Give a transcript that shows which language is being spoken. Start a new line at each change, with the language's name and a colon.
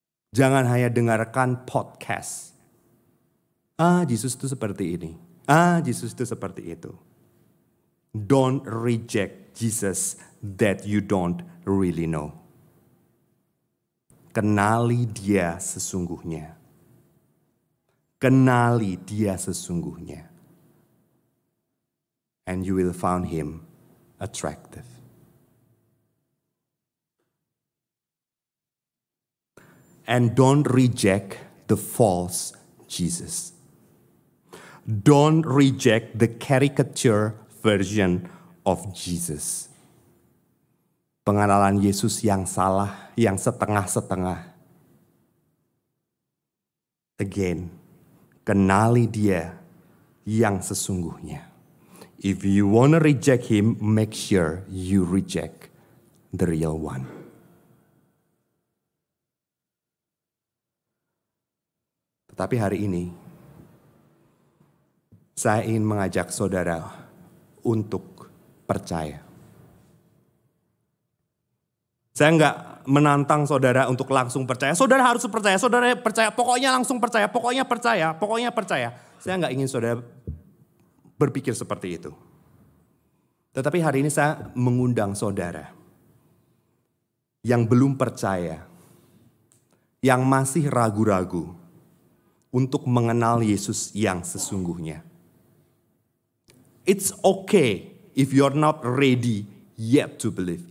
Indonesian: Jangan hanya dengarkan podcast. Jesus itu seperti ini. Jesus itu seperti itu.
English: Don't reject Jesus that you don't really know.
Indonesian: Kenali dia sesungguhnya. Kenali dia sesungguhnya.
English: And you will find him attractive. And don't reject the false Jesus. don't reject the caricature version of Jesus.
Indonesian: Pengenalan Yesus yang salah, yang setengah-setengah.
English: Again,
Indonesian: kenali dia yang sesungguhnya.
English: If you wanna reject him, make sure you reject the real one.
Indonesian: Tetapi hari ini, saya ingin mengajak saudara untuk percaya. Saya enggak menantang saudara untuk langsung percaya. Saudara harus percaya, saudara percaya, pokoknya langsung percaya, pokoknya percaya, pokoknya percaya. Saya enggak ingin saudara berpikir seperti itu. Tetapi hari ini saya mengundang saudara yang belum percaya, yang masih ragu-ragu untuk mengenal Yesus yang sesungguhnya.
English: It's okay if you're not ready yet to believe.